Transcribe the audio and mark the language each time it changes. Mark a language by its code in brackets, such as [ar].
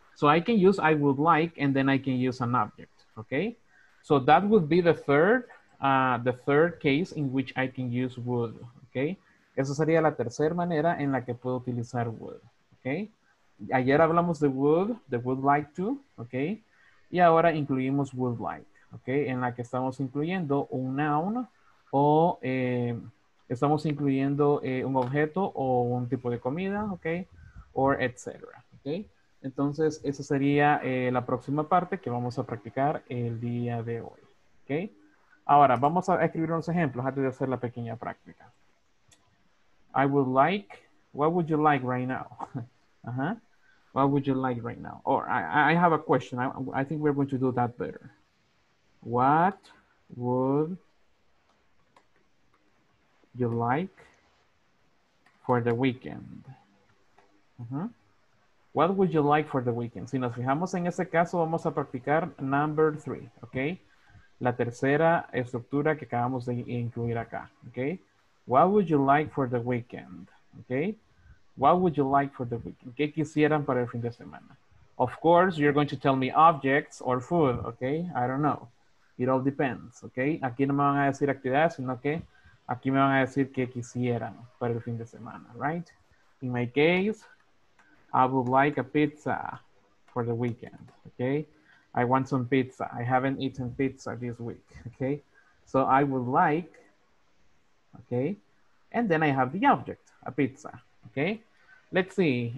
[en] So I can use I would like, and then I can use an object, okay? So that would be the third case in which I can use would, okay? [es] Esa sería la tercera manera en la que puedo utilizar would, okay? Ayer hablamos de would, the would like to, okay? Y ahora incluimos would like, ¿ok? En la que estamos incluyendo un noun o estamos incluyendo un objeto o un tipo de comida, ¿ok? [en] Or etc. [es] ¿Ok? Entonces, esa sería la próxima parte que vamos a practicar el día de hoy. ¿Ok? Ahora, vamos a escribir unos ejemplos antes de hacer la pequeña práctica. [en] I would like, what would you like right now? What would you like right now? Or I have a question. I think we're going to do that better. What would you like for the weekend? Uh-huh. What would you like for the weekend? [es] Si nos fijamos en ese caso, vamos a practicar [en] number three, okay? [es] La tercera estructura que acabamos de incluir acá, okay? [en] What would you like for the weekend, okay? What would you like for the weekend? [es] ¿Qué quisieran para el fin de semana? [en] Of course, you're going to tell me objects or food, okay? I don't know. It all depends, okay? [es] Aquí no me van a decir actividades, sino que aquí me van a decir qué quisieran para el fin de semana, right? [en] In my case, I would like a pizza for the weekend, okay? I want some pizza. I haven't eaten pizza this week, okay? So I would like, okay? And then I have the object, a pizza. Okay, let's see.